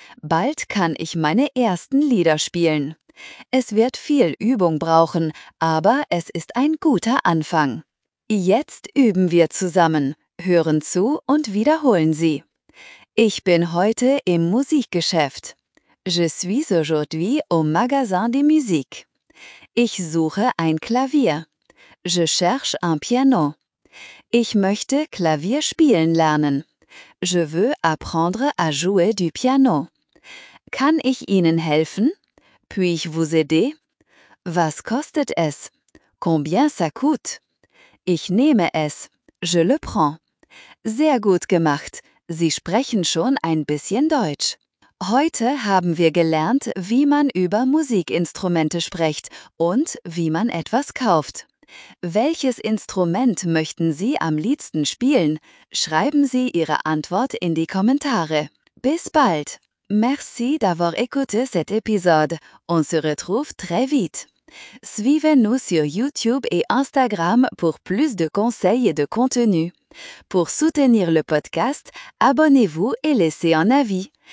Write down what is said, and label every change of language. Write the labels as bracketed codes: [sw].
[de] Bald kann ich meine ersten Lieder spielen. Es wird viel Übung brauchen, aber es ist ein guter Anfang. Jetzt üben wir zusammen. Hören zu und wiederholen Sie. Ich bin heute im Musikgeschäft. [fr] Je suis aujourd'hui au magasin de musique. [de] Ich suche ein Klavier. [fr] Je cherche un piano. [de] Ich möchte Klavier spielen lernen. [fr] Je veux apprendre à jouer du piano. [de] Kann ich Ihnen helfen? [fr] Puis-je vous aider? [de] Was kostet es? [fr] Combien ça coûte? [de] Ich nehme es. [fr] Je le prends. [de] Sehr gut gemacht. Sie sprechen schon ein bisschen Deutsch. Heute haben wir gelernt, wie man über Musikinstrumente spricht und wie man etwas kauft. Welches Instrument möchten Sie am liebsten spielen? Schreiben Sie Ihre Antwort in die Kommentare. Bis bald! [fr] Merci d'avoir écouté cet épisode. On se retrouve très vite. Suivez-nous sur YouTube et Instagram pour plus de conseils et de contenu. Pour soutenir le podcast, abonnez-vous et laissez un avis.